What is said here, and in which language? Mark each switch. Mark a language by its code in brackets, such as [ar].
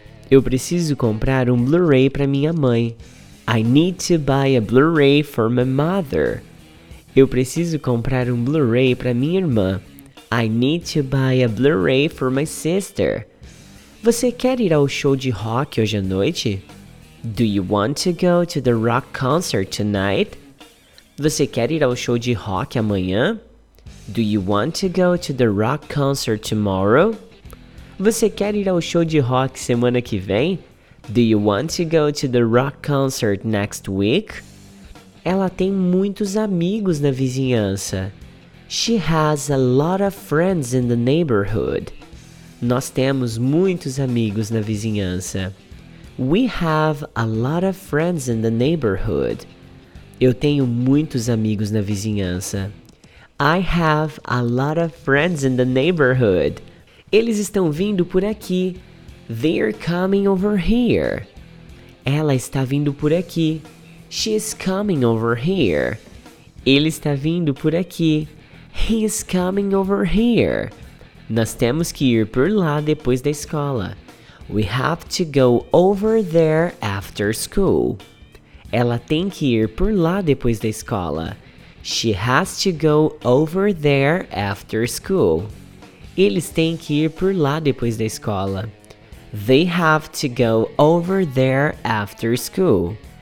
[pt] Eu preciso comprar um Blu-ray para minha mãe. [en] I need to buy a Blu-ray for my mother. [pt] Eu preciso comprar um Blu-ray para minha irmã. [en] I need to buy a Blu-ray for my sister. [pt] Você quer ir ao show de rock hoje à noite? [en] Do you want to go to the rock concert tonight? [pt] Você quer ir ao show de rock amanhã? [en] Do you want to go to the rock concert tomorrow? [pt] Você quer ir ao show de rock semana que vem? [en] Do you want to go to the rock concert next week? [pt] Ela tem muitos amigos na vizinhança. [en] She has a lot of friends in the neighborhood. [pt] Nós temos muitos amigos na vizinhança. [en] We have a lot of friends in the neighborhood. [pt] Eu tenho muitos amigos na vizinhança. [en] I have a lot of friends in the neighborhood. [pt] Eles estão vindo por aqui. [en] They're coming over here. [pt] Ela está vindo por aqui. [en] She is coming over here. [pt] Ele está vindo por aqui. [en] He is coming over here. [pt] Nós temos que ir por lá depois da escola. [en] We have to go over there after school. [pt] Ela tem que ir por lá depois da escola. [en] She has to go over there after school. [pt] Eles têm que ir por lá depois da escola. [en] They have to go over there after school.